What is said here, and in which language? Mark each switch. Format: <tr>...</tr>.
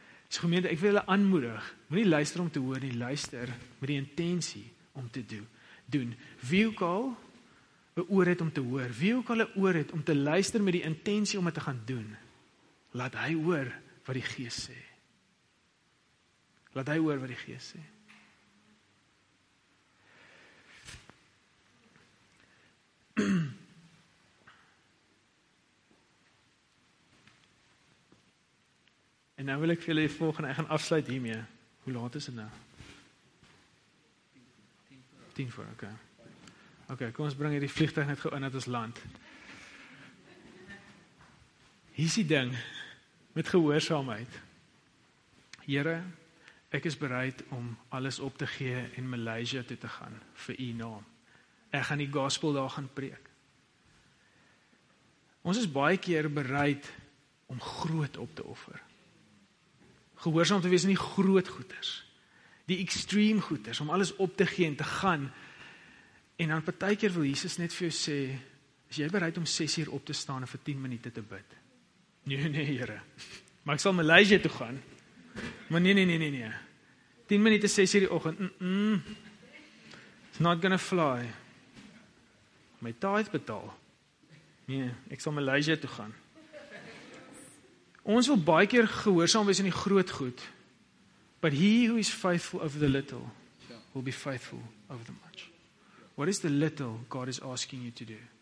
<af>So gemeente, ek wil julle aanmoedig, moenie luister om te hoor nie, luister met die intentie om te doen. Wie ook al 'n oor het om te hoor, wie ook al 'n oor het om te luister met die intentie om dit te gaan doen. Laat hy hoor wat die Gees sê. Laat hy hoor wat die Gees sê. En nou wil ek vir julle volgende, ek gaan afsluit hiermee. Hoe laat is dit nou? 10:10, okay. Kom ons bring hierdie vliegtuig net gou in, dat ons land. Hier is die ding. Met gehoorsaamheid. Here, ek is bereid om alles op te gee en Maleisië toe te gaan vir u naam. Ek gaan die gospel daar gaan preek. Ons is baie keer bereid om groot op te offer. Gehoorsaam te wees in die groot goeders. Die extreme goeders, om alles op te gee en te gaan. En dan partykeer wil Jesus net vir jou sê, is jy bereid om 6 uur op te staan en vir 10 minute te bid? Nee, Here. Maar ek sal Maleisië toe gaan. Maar nee. 10 minute 6 uur die oggend.</af> <en>It's not gonna fly.</en> <af>My tithe betaal. Nee, ek sal Maleisië toe gaan. Ons wil baie keer gehoorsaam wees in die groot goed.</af> <en>But he who is faithful over the little will be faithful over the much. What is the little God is asking you to do?</en>